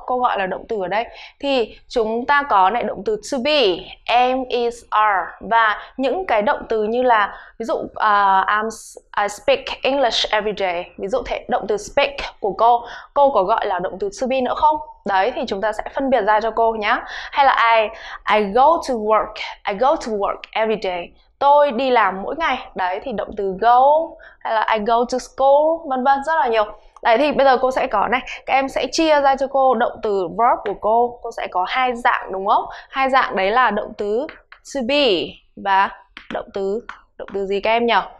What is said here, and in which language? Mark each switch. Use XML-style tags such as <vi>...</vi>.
<vi>Cô gọi là động từ ở đây. Thì chúng ta có này, động từ to be, am, is, are, và những cái động từ như là, ví dụ</vi> <en>I speak English every day.</en> <vi>Ví dụ thế, động từ speak của cô có gọi là động từ to be nữa không? Đấy, thì chúng ta sẽ phân biệt ra cho cô nhá. Hay là</vi> <en>I go to work every day.</en> <vi>Tôi đi làm mỗi ngày. Đấy, thì động từ go, hay là</vi> <en>I go to school,</en> <vi>vân vân, rất là nhiều. Đấy, thì bây giờ cô sẽ có này, các em sẽ chia ra cho cô động từ verb của cô. Cô sẽ có hai dạng, đúng không? Hai dạng đấy là động từ to be và động từ gì các em nhỉ?</vi>